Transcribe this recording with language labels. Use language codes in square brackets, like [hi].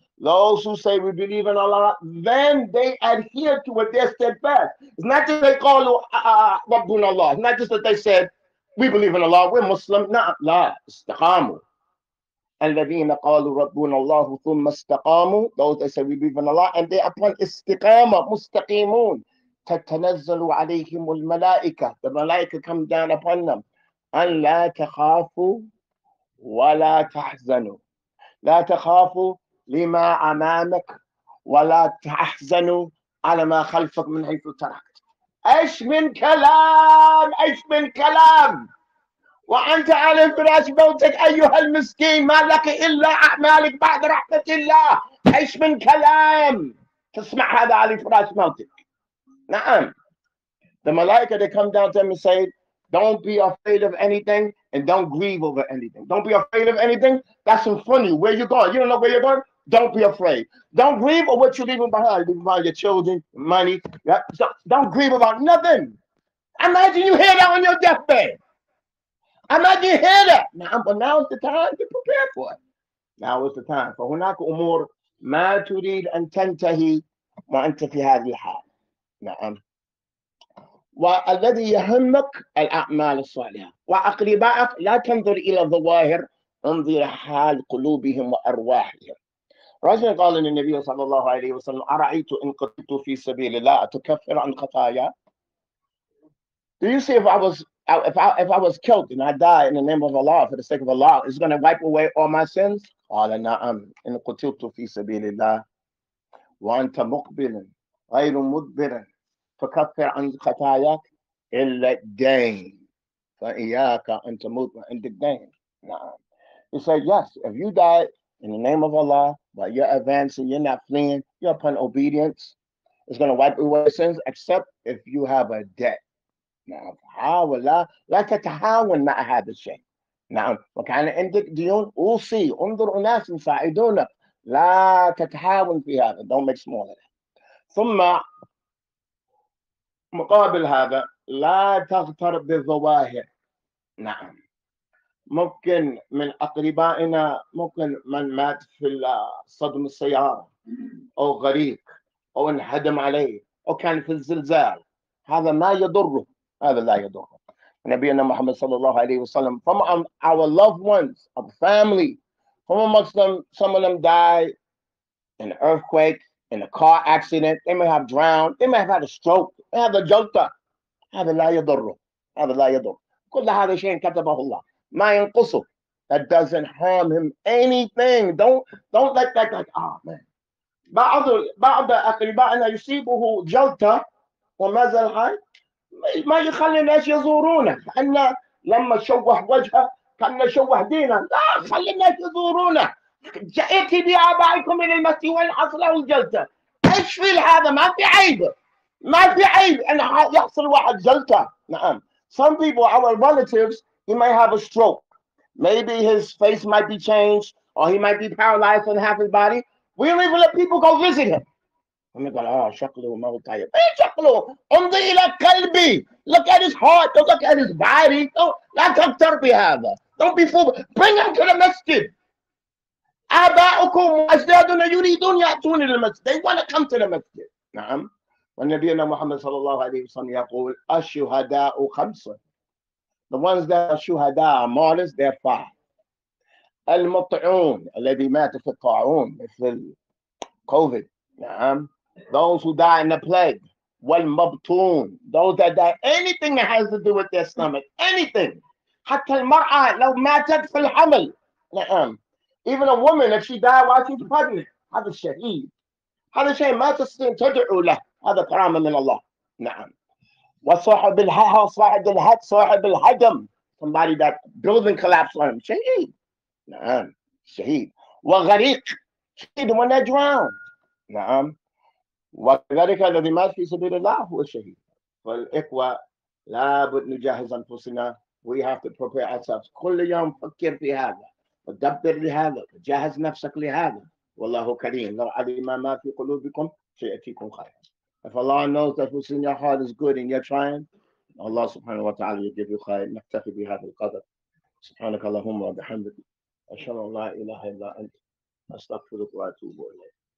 [en] Those who say we believe in Allah, then they adhere to what they're steadfast. It's not just they [ar] قالوا ربنا الله. [en] It's not just that they said we believe in Allah, we're Muslim. [ar] نعم. لا. استقاموا. الذين قالوا ربنا الله ثم استقاموا. [en] Those that say we believe in Allah and they upon [ar] استقامة مستقيمون. تتنزل عليهم الملائكة. [en] The ملائكة come down upon them. [ar] أن لا تخافوا ولا تحزنوا. لا تخافوا لما أمامك ولا تحزنوا على ما خلفك من حيث تركت. إيش من كلام؟ إيش من كلام؟ وأنت على فراش موتك أيها المسكين، ما لك إلا أعمالك بعد رحمة الله. إيش من كلام تسمع هذا على فراش موتك؟ نعم. [en] The malaika, they come down to him and say, don't be afraid of anything and don't grieve over anything. Don't be afraid of anything. That's in front of you. Where you going? You don't know where you're going? Don't be afraid. Don't grieve over what you're leaving behind. Leave behind your children, money. Yeah. Don't grieve about nothing. Imagine you hear that on your deathbed. Imagine you hear that. Now is the time to prepare for it. Now is the time. [ar] فهناك أمور ما تريد أن تنتهي وأنت في هذه الحال. نعم. والذي يهمك الأعمال الصالحة وأقربائك. لا تنظر إلى الظواهر، انظر حال قلوبهم وأرواحهم. رجل قال للنبي صلى الله عليه وسلم، أرأيت إن قتلت في سبيل الله أتكفر عن خطايا؟ [en] Do you see if I was killed and I die in the name of Allah for the sake of Allah, is it going to wipe away all my sins? [ar] قال نعم إن قتلت في سبيل الله وأنت مقبل غير مدبر فكفر عن خطاياك إلا الدين فإياك أن تموت عند الدين. نعم. [en] He said, yes, if you die in the name of Allah, but you're advancing, you're not fleeing, you're upon obedience, it's going to wipe away sins, except if you have a debt. [ar] نعم. حاول لا لا تتهاون مع هذا الشيء. نعم. وكان عندك ديون، أوصي، انظر أناس يساعدونك. لا تتهاون في هذا. [en] Don't make small of that. [ar] ثم مقابل هذا لا تغتر بالظواهر. نعم. ممكن من أقربائنا، ممكن من مات في صدم السيارة أو غريق أو انهدم عليه أو كان في الزلزال، هذا ما يضره، هذا لا يضره. نبينا محمد صلى الله عليه وسلم، [en] from our loved ones, our family, from amongst them, some of them died in an earthquake, in a car accident, they may have drowned, they may have had a stroke, they have a jolta. [ar] هذا لا يضره، هذا لا يضره. كل هذا شيء كتبه الله. ما ينقصه. [en] That doesn't harm him anything. Don't let that like, oh man. [ar] بعض أقربائنا يصيبه جلطة وما زال حي، ما يخلي الناس يزورونه، كأن لما شوه وجهه كأن شوه دينه. لا، خلي الناس يزورونه. جئت بآبائكم من المسجد وين حصله الجلطة؟ ايش في هذا؟ ما في عيب، ما في عيب ان يحصل واحد جلطة. نعم. [en] Some people, our relatives, he might have a stroke. Maybe his face might be changed, or he might be paralyzed on half his body. We don't even let people go visit him. And they go, oh, [ar] شكله ما هو طيب. ايه شكله؟ انظر الى قلبي. [en] Look at his heart. Don't look at his body. Don't, [ar] لا تغتر بهذا. [en] Don't be fooled. Bring him to the masjid. [ar] آباؤكم وأجدادنا يريدون يأتون إلى المسجد. [en] They want to come to the masjid. [ar] نعم. والنبي محمد صلى الله عليه وسلم يقول الشهداء خمسة. [en] The ones that are شهداء are martyrs, they are five. [ar] المطعون الذي مات في الطاعون مثل COVID. [en] نعم. Those who die in the plague. [ar] والمبطون. [en] Those that die anything that has to do with their stomach. Anything. [ar] حتى المرأة لو ماتت في الحمل. نعم. [en] Even a woman, if she died while she's pregnant, [ar] هذا الشهيد. هذا الشهيد ما تستطيع تدعو له. هذا كرامة من الله. نعم. وصاحب الهدم. صاحب الهدم. صاحب الهدم. [en] Somebody that building collapsed on him. [ar] شهيد. نعم. شهيد. وغريق. [en] شهيد when they drowned. [ar] نعم. وذلك الذي مات في سبيل الله هو الشهيد. فالإخوة لابد نجهز أنفسنا. [en] We have to prepare ourselves. [ar] كل يوم فكر في هذا. ودبر لهذا. جهز نفسك لهذا. والله كريم. لو علم ما في قلوبكم سيأتيكم خير. [en] If Allah knows that what's in your heart is good and you're trying, Allah subhanahu wa ta'ala will give you khair. [ar] نكتفي بهذا القدر. سبحانك اللهم وبحمدك. أشهد أن لا إله إلا أنت. أستغفرك وأتوب إليك.